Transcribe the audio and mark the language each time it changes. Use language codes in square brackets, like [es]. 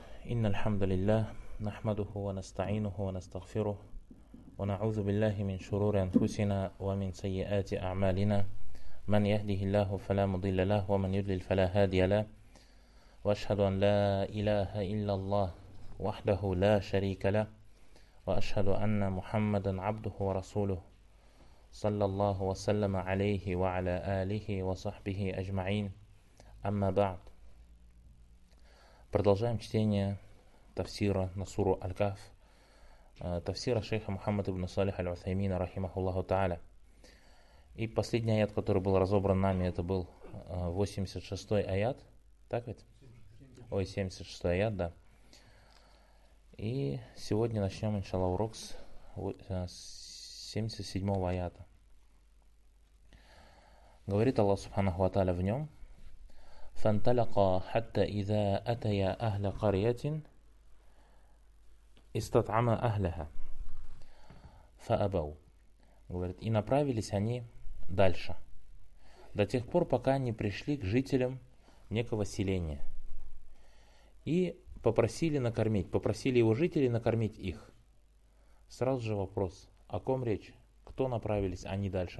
[ar] إن الحمد لله نحمده ونستعينه ونستغفره ونعوذ بالله من شرور أنفسنا ومن سيئات أعمالنا، من يهده الله فلا مضل له ومن يضلل فلا هادي له، وأشهد أن لا إله إلا الله وحده لا شريك له، وأشهد أن محمدا عبده ورسوله صلى الله وسلم عليه وعلى آله وصحبه أجمعين. Аммабад. [ru] Продолжаем чтение тафсира на суру Аль-Кахф, тафсира шейха Мухаммада ибн Салих Аль-Усаймина, рахимахуллаху та'аля. И последний аят, который был разобран нами, это был 86-й аят, так ведь? Ой, 76-й аят, да. И сегодня начнем, иншаллах, урок с 77-го аята. Говорит Аллах, субханаху ва та'аля, в нем: [ar] فانطلقا حتى إذا أتيا أهل قرية استطعما أهلها فأبوا. [ru] Говорит, и направились они дальше, до тех пор, пока они пришли к жителям некого селения и попросили накормить, попросили его жителей накормить их. Сразу же вопрос, о ком речь? Кто направились они дальше?